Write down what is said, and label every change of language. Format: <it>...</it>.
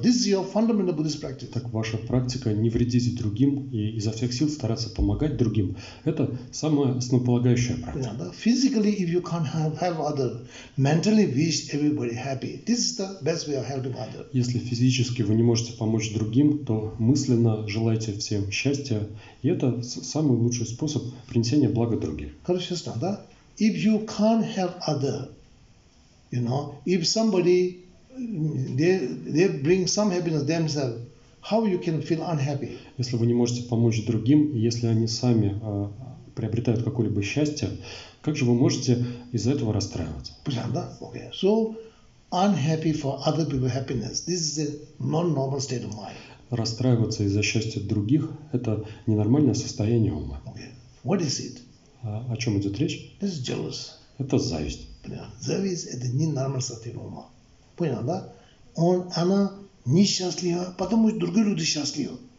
<en>This is your fundamental Buddhist practice.</en> <ru>Так ваша практика не вредить другим и изо всех сил стараться помогать другим. Это самая основополагающая практика. Понял, да?</ru> <en>Physically, if you can't help other, mentally wish everybody happy. This is the best way of helping other.</en> <ru>Если физически вы не можете помочь другим, то мысленно желайте всем счастья. И это самый лучший способ принесения блага другим. Короче, ясно, да?</ru> <en>If you can't help other, you know, if somebody they bring some happiness themselves, how you can feel unhappy?</en> <ru>Если вы не можете помочь другим, если они сами приобретают какое-либо счастье, как же вы можете из-за этого расстраиваться? Понятно?</ru> <en>Okay. So unhappy for other people happiness. This is a non-normal state of mind.</en> <ru>Расстраиваться из-за счастья других – это ненормальное состояние ума.</ru> <en>Okay. What is it?</en> <ru>О чем идет речь?</ru> <en>This is jealous.</en> <ru>Это зависть. Завис – это не нормальная сатира ума. Понял, да? Он, она несчастлива, потому что другие люди счастливы.</ru>